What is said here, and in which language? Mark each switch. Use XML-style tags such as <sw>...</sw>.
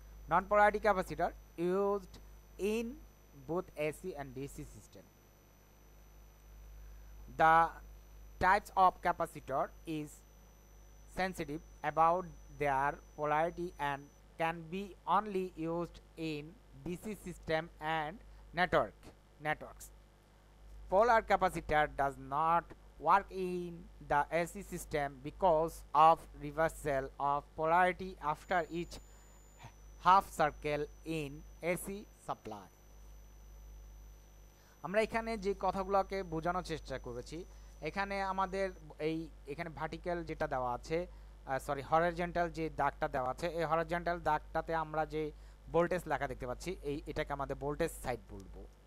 <en>Non polarity capacitor used in both AC and DC system, the types of capacitor is sensitive about their polarity and can be only used in DC system and networks. Polar capacitor does not work in the AC system because of reversal of polarity after each half circle in AC supply.</en> <bn>আমরা এখানে যে কথাগুলোকে বোঝানোর চেষ্টা করেছি, এখানে আমাদের এই এখানে ভার্টিক্যাল যেটা দেওয়া আছে, সরি হরাইজন্টাল যে দাগটা দেওয়া আছে, এই হরাইজন্টাল দাগটাতে আমরা যে ভোল্টেজ লেখা দেখতে পাচ্ছি এই এটাকে আমাদের ভোল্টেজ সাইড বলবো।</bn>